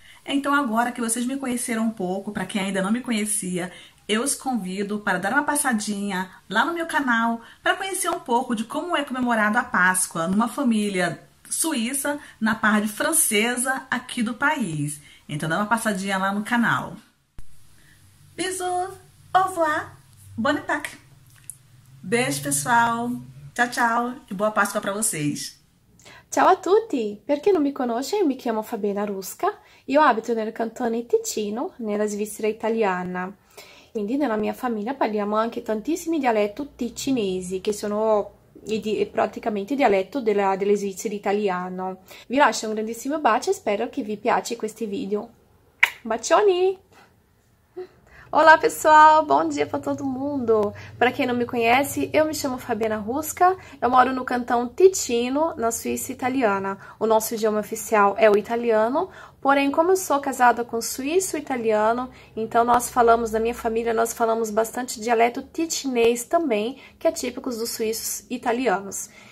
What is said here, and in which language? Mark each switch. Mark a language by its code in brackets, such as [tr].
[pt] Então, agora que vocês me conheceram um pouco, para quem ainda não me conhecia, eu os convido para dar uma passadinha lá no meu canal para conhecer um pouco de como é comemorada a Páscoa numa família suíça na parte francesa aqui do país. Então, dá uma passadinha lá no canal. [fr] Bisous, au revoir, bon appétit. [pt] Beijo, pessoal. Tchau, tchau e boa Páscoa para vocês. [it] Ciao a tutti! Per chi non mi conosce, io mi chiamo Fabiana Rusca, io abito nel cantone Ticino, nella Svizzera italiana. Quindi nella mia famiglia parliamo anche tantissimi dialetti ticinesi, che sono praticamente il dialetto delle Svizzere italiano. Vi lascio un grandissimo bacio e spero che vi piaccia questi video. Bacioni! [pt] Olá pessoal, bom dia para todo mundo. Para quem não me conhece, eu me chamo Fabiana Rusca, eu moro no cantão Ticino, na Suíça italiana. O nosso idioma oficial é o italiano, porém, como eu sou casada com suíço italiano, então nós falamos, na minha família, nós falamos bastante dialeto ticinês também, que é típico dos suíços italianos.